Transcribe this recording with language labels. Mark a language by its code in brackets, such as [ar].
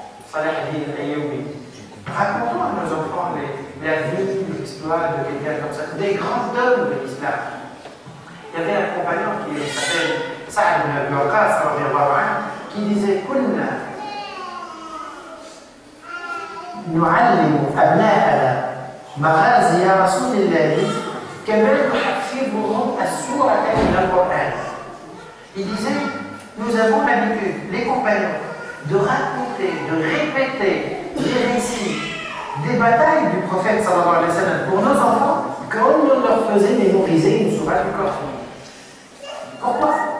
[fr] Salarié, Ayoubi. Racontons à nos enfants la vie, l'histoire de quelqu'un comme ça, des grands hommes de l'islam. Il y avait un compagnon qui s'appelle Saad ibn Abi Waqqas, qui disait Kunna. [ar] نعلم أبناءنا مغازي يا رسول الله كما نحفظهم السورة من القرآن. [fr] Il disait, nous avons l'habitude, les compagnons, de raconter, de répéter des récits, des batailles du prophète [ar] sallallahu alayhi wa sallam [fr] pour nos enfants, comme nous leur faisons mémoriser une sourate du Coran. Pourquoi?